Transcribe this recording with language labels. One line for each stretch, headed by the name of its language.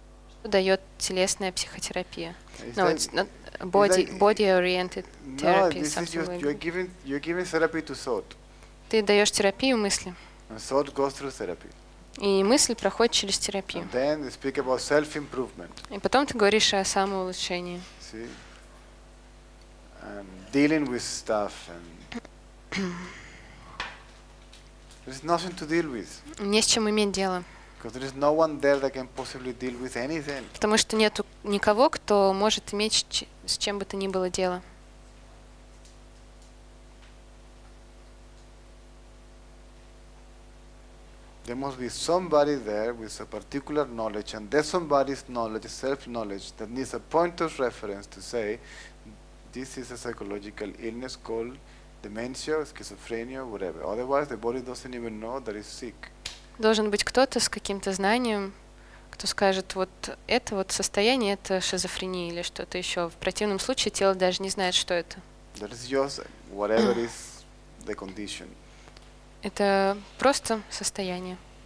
Russian: Что дает телесная психотерапия?
English: Body-oriented therapy. No, this is just, you're giving therapy to thought.
Russian: Ты даешь терапию мысли.
English: And thought goes through therapy.
Russian: И мысль проходит через терапию.
English: And then they speak about self-improvement.
Russian: И потом ты говоришь о самоулучшении.
English: See? And dealing with stuff. And there's nothing to deal with.
Russian: Не с чем иметь дело.
English: Because there is no one there that can possibly deal with anything.
Russian: Потому что нету никого, кто может иметь с чем бы то ни было дело.
English: There must be somebody there with a particular knowledge, and that somebody's knowledge, self-knowledge, that needs a point of reference to say, this is a psychological illness called dementia, schizophrenia, whatever. Otherwise, the body doesn't even know that it's sick.
Russian: Должен быть кто-то с каким-то знанием, кто скажет, вот это вот состояние, это шизофрения или что-то еще. В противном случае тело даже не знает, что это.
English: That is just whatever is the condition.
Russian: Это просто состояние.